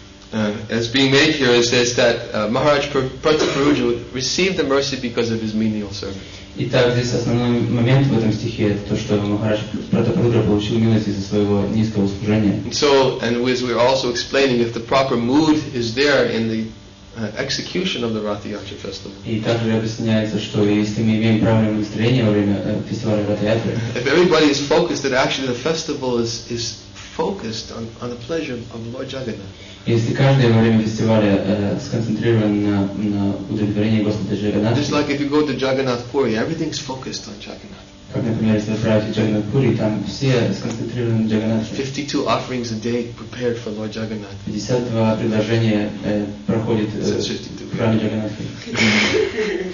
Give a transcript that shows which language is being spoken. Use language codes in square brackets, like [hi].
[en] So the point being made here is that Maharaj Pratiparuja received the mercy because of his menial service. [ru] Итак, здесь основной момент в этом стихе это то, что Махарадж Пратапрудра получил милость из-за своего низкого служения. [en] So, and as we're also explaining, if the proper mood is there in the execution of the Ratha-Yatra festival. [ru] И также объясняется, что если мы имеем правильное настроение во время фестиваля Ратха-Ятры. [en] If everybody is focused, that actually the festival is focused on the pleasure of Lord Jagannath. [ru] Если каждое время фестиваля сконцентрирован на удовлетворении Господа Джаганатхи. [en] Just like if you go to Jagannath Puri, everything's focused on Jagannath. [ru] Как, например, если отправить Jagannath Puri, там все сконцентрированы на Джаганатхе. [en] 52 offerings a day prepared for Lord Jagannath. [ru] 52 предложения проходит в храме Джаганатхи.